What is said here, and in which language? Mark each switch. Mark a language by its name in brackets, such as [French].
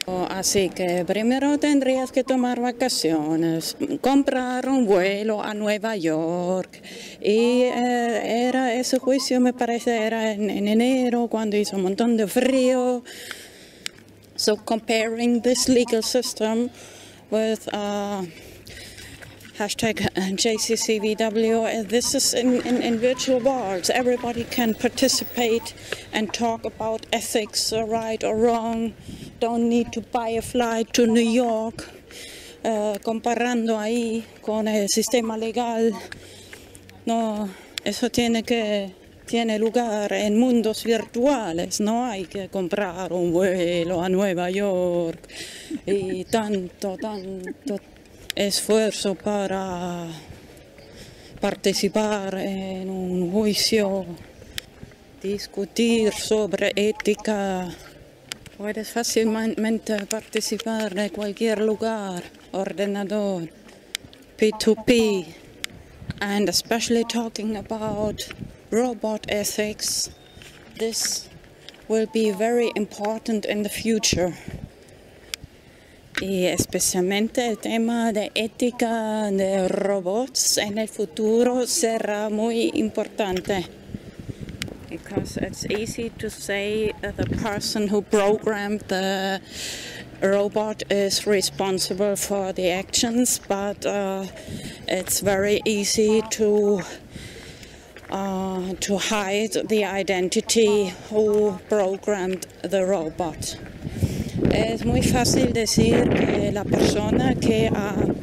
[Spanish] Así que primero tendrías que tomar vacaciones, comprar un vuelo a Nueva York. Y era ese juicio, me parece, era en enero, cuando hizo un montón de frío. [English] So comparing this legal system with hashtag JCCVW, this is in virtual worlds. Everybody can participate and talk about ethics, right or wrong. Don't need to buy a flight to New York. [Spanish] Comparando ahí con el sistema legal, no, eso tiene lugar en mundos virtuales. No hay que comprar un vuelo a Nueva York y tanto esfuerzo para participar en un juicio, discutir sobre ética. Puedes fácilmente participar en cualquier lugar, ordenador, P2P. [English] And especially talking about robot ethics, this will be very important in the future. [Spanish] Y especialmente el tema de ética de robots en el futuro será muy importante. [English] Because it's easy to say that the person who programmed the robot is responsible for the actions, but it's very easy to hide the identity who programmed the robot. [Spanish] Es muy fácil decir que la persona que ha